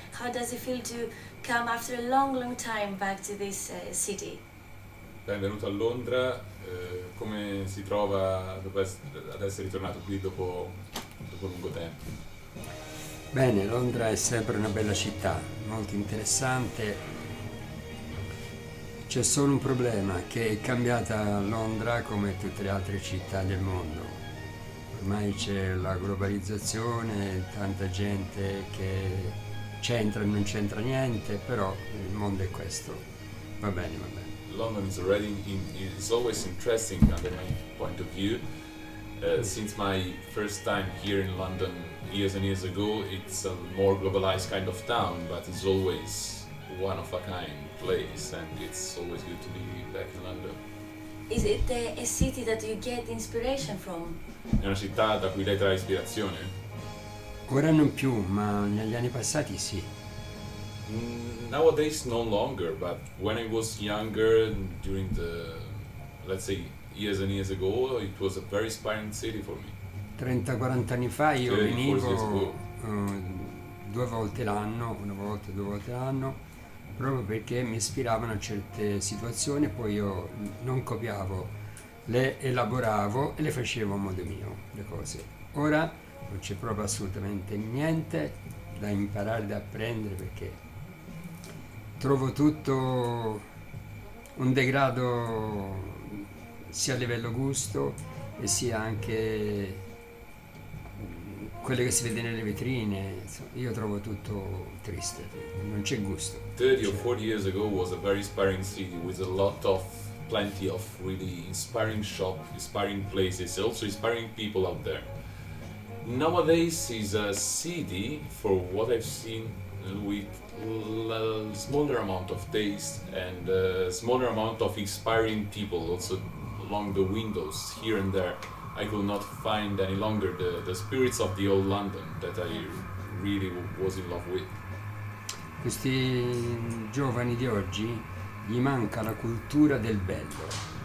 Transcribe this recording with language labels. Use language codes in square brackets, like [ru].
[en] How does it feel to come after a long, long time back to this city? [it] Benvenuto a Londra. Come si trova dopo ad essere tornato qui dopo lungo tempo? Bene, Londra è sempre una bella città, molto interessante. C'è solo un problema, che è cambiata Londra come tutte le altre città del mondo. Ormai c'è la globalizzazione, tanta gente che c'entra e non c'entra niente, però il mondo è questo. Va bene, va bene. [en] London is already is always interesting under my point of view. Since my first time here in London years and years ago, it's a more globalized kind of town, but it's always one of a kind place, and it's always good to be back in London. Is it a city that you get inspiration from? [it] È una città da cui lei trae ispirazione? Ora non più, ma negli anni passati sì. [en] Nowadays no longer, but when I was younger, during the, let's say, years and years ago, it was a very inspiring city for me. [it] 30-40 anni fa io venivo due volte l'anno, una volta, due volte l'anno, proprio perché mi ispiravano a certe situazioni, poi io non copiavo, le elaboravo e le facevo a modo mio, le cose. Ora non c'è proprio assolutamente niente da imparare, da apprendere, perché trovo tutto un degrado sia a livello gusto e sia anche quelle che si vede nelle vetrine. Io trovo tutto triste, non c'è gusto. [en] 30 or 40 years ago was a very inspiring city with a lot of, plenty of really inspiring shops, inspiring places, also inspiring people out there. Nowadays is a city, for what I've seen, with a smaller amount of taste and a smaller amount of inspiring people also along the windows here and there. I could not find any longer the spirits of the old London that I really was in love with. [it] Questi giovani di oggi, gli manca la cultura del bello.